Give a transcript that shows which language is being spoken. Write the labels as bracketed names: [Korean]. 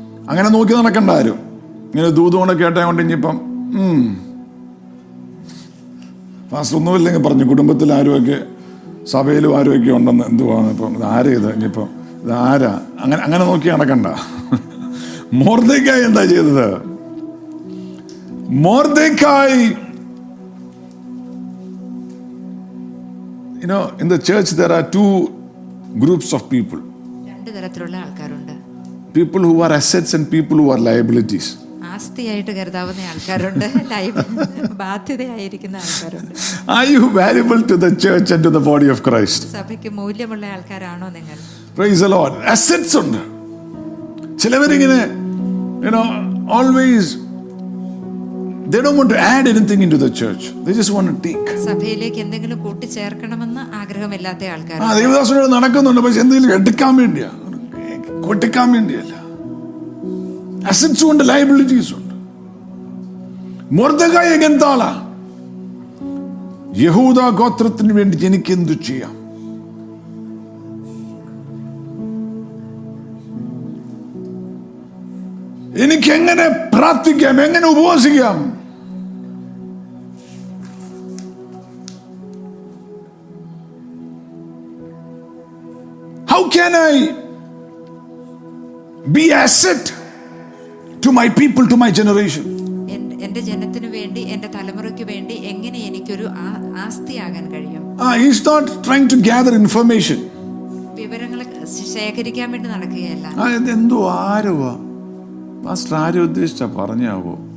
[Malayalam] അങ്ങനെ നോക്കി നടക്കണ്ടാരും. ഇങ്ങനെ ദൂതുകൊണ്ട് കേട്ടാ കൊണ്ട് ഇനിയിപ്പം ഫാസ്റ്റ് ഒന്നുമില്ലെങ്കിൽ പറഞ്ഞു, കുടുംബത്തിൽ ആരുമൊക്കെ സഭയിലും ആരുമൊക്കെ ഉണ്ടെന്ന് എന്തുവാണ് ഇപ്പം ഇത് ആരെ ഇത് ഇനിയിപ്പം ഇത് ആരാ അങ്ങനെ അങ്ങനെ നോക്കി നടക്കണ്ട. മൊർദെക്കായി എന്താ ചെയ്തത്? [English] Mordecai You know, in the church there are two groups of people. [Malayalam] രണ്ട് തരത്തിലുള്ള ആൾക്കാരുണ്ട്. [English] People who are assets and people who are liabilities. [Malayalam] ആസ്തിയായിട്ട് കരുതാവുന്ന ആൾക്കാരുണ്ട്, ബാധ്യതയായിരിക്കുന്ന ആൾക്കാരുണ്ട്. [English] Are you valuable to the church and to the body of Christ? [Malayalam] സഭയ്ക്ക് മൂല്യമുള്ള ആൾക്കാരാണോ നിങ്ങൾ? [English] Praise the Lord. Assets ഉണ്ട്. [Malayalam] ചിലവർ ഇങ്ങനെ, [English] you know, always they don't want to add anything into the church, they just want to take. [Malayalam] സഭയിലേക്ക് എന്തെങ്കിലും കൂട്ടി ചേർക്കണമെന്ന് ആഗ്രഹമില്ലാത്ത ആൾക്കാരാണ്. ആ, ദൈവദാസനോട് നടക്കുന്നുണ്ട്, പക്ഷെ എന്തെങ്കിലും എടുക്കാൻ വേണ്ടിയാ, കൊടുക്കാൻ വേണ്ടിയല്ല. അസറ്റ്സ് ഉണ്ട്, ലയബിലിറ്റീസ് ഉണ്ട്. മൊർദെക്കായി എങ്ങനത്തെ ആളാ? യഹൂദ ഗോത്രത്തിന് വേണ്ടി എനിക്ക് എന്തു ചെയ്യാം? എനിക്ക് എങ്ങനെ പ്രാർത്ഥിക്കാം, എങ്ങനെ ഉപവസിക്കാം? [English] How can I be asset to my people, to my generation? [Malayalam] എന്റെ ജനത്തിനു വേണ്ടി, എന്റെ തലമുറയ്ക്ക് വേണ്ടി എങ്ങനെ എനിക്കൊരു ആസ്തിയാകാൻ കഴിയും? [English] He is not trying to gather information. [Malayalam] വിവരങ്ങൾ ശേഖരിക്കാൻ വേണ്ടി നടക്കുകയല്ല. എന്തോ ആരോവാ പാസ്റ്റർ ആരും ഉദ്ദേശിച്ച പറഞ്ഞാവോ?